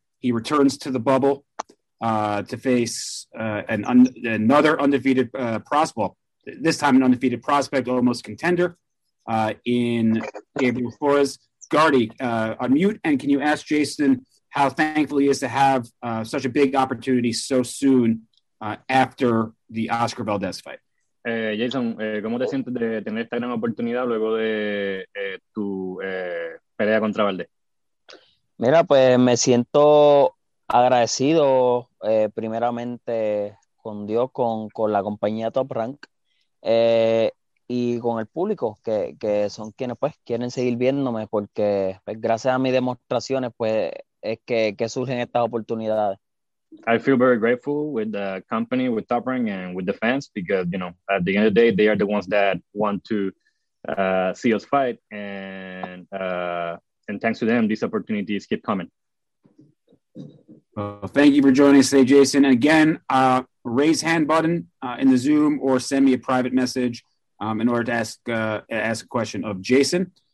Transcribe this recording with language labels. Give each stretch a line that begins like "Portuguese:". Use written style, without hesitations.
English: He returns to the bubble to face another undefeated prospect. This time an undefeated prospect, almost contender, in Gabriel Flores. Guardy, unmute, and can you ask Jayson how thankful he is to have such a big opportunity so soon after the Oscar Valdez fight?
Spanish: Jayson, ¿cómo te sientes de tener esta gran oportunidad luego de tu pelea contra Valdez? Mira, pues me siento agradecido primeramente con Dios, con la compañía Top Rank y con el público, que son quienes pues quieren seguir viéndome, porque pues, gracias a mis demostraciones pues es que surgen estas oportunidades.
English: I feel very grateful with the company, with Top Rank, and with the fans, because, you know, at the end of the day, they are the ones that want to see us fight, and thanks to them, these opportunities keep coming. Well, thank you for joining us today, Jayson. And again, raise hand button in the Zoom, or send me a private message in order to ask a question of Jayson.